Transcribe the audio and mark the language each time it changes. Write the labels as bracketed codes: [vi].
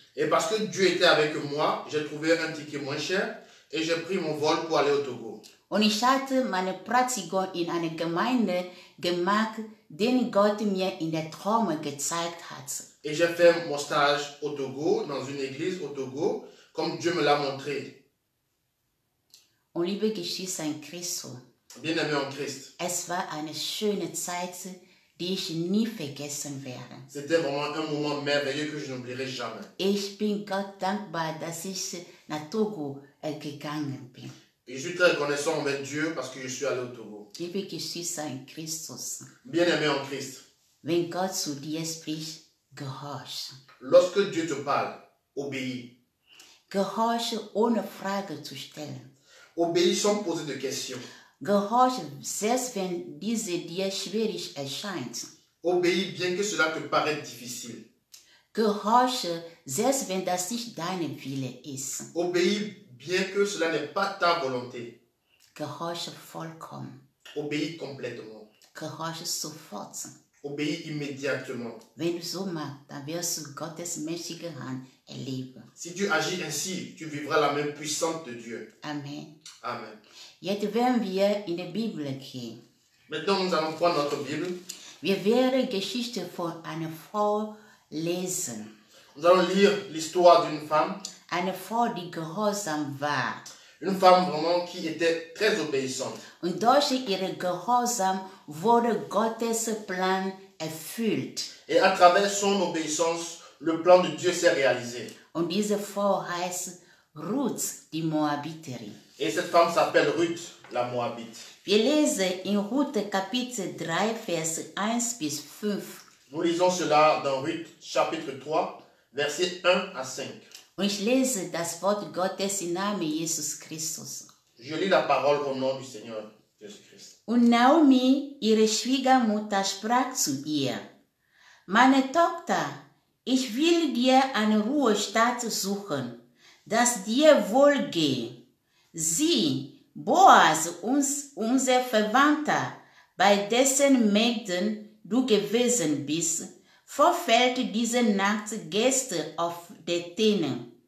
[fr] Et parce que Dieu était avec moi, j'ai trouvé un ticket moins cher et j'ai pris mon vol pour aller au Togo. [de] Und ich hatte meine Praktikum in einer Gemeinde gemacht, den Gott mir in der Träume gezeigt hat. [fr] Et j'ai fait mon stage au Togo, dans une église au Togo, comme Dieu me l'a montré. [de] Und liebe Geschwister in Christus. [fr] Bien-aimé en Christ. [de] Es war eine schöne Zeit, die ich nie vergessen werde. [fr] C'était vraiment un moment merveilleux que je n'oublierai jamais. [de] Ich bin Gott dankbar, dass ich nach Togo gegangen bin. [fr] Et je suis très reconnaissant envers Dieu parce que je suis allé au Togo. [de] Liebe Geschwister in Christus. [fr] Bien-aimé en Christ. [de] Wenn Gott zu dir spricht, gehorche. [fr] Lorsque Dieu te parle, obéis. [de] Gehorche ohne Frage zu stellen. [fr] Obéis sans poser de questions. [de] Gehorche selbst wenn diese dir schwierig erscheint. [fr] Obéis bien que cela te paraisse difficile. [de] Gehorche selbst wenn das nicht deine Wille ist. [fr] Obéis bien que cela n'est pas ta volonté. [de] Gehorche vollkommen. [fr] Obéis complètement. [de] Gehorche sofort. [fr] Obéis immédiatement. [de] Wenn du so machst, dann wirst du Gottes mächtige Hand erleben. [fr] Si tu agis ainsi, tu vivras la main puissante de Dieu. [de] Amen. [fr] Amen. [de] Jetzt werden wir in der Bibel gehen. [fr] Maintenant, nous allons prendre notre Bible. [de] Wir werden Geschichte von einer Frau lesen. [fr] Nous allons lire l'histoire d'une femme. [de] Eine Frau, die gehorsam war. [fr] Une femme vraiment qui était très obéissante. [de] Und durch ihre Gehorsam wurde Gottes Plan erfüllt. [fr] Et à travers son obéissance, le plan de Dieu s'est réalisé. [de] Und diese Frau heißt Ruth, die Moabiterin. [fr] Et cette femme s'appelle Ruth, la Moabite. [de] Wir lesen in Ruth, Kapitel 3, Vers 1 bis 5. [fr] Nous lisons cela dans Ruth, chapitre 3, versets 1 à 5. [de] Und ich lese das Wort Gottes im Namen Jesus Christus. [fr] Je lis la parole au nom du Seigneur Jesus Christ. [de] Und Naomi, ihre Schwiegermutter, sprach zu ihr: Meine Tochter, ich will dir eine Ruhestatt suchen, dass dir wohl geht. Sieh, Boas, unser Verwandter, bei dessen Mägden du gewesen bist, verfällt diese Nacht Gäste auf der Tänne.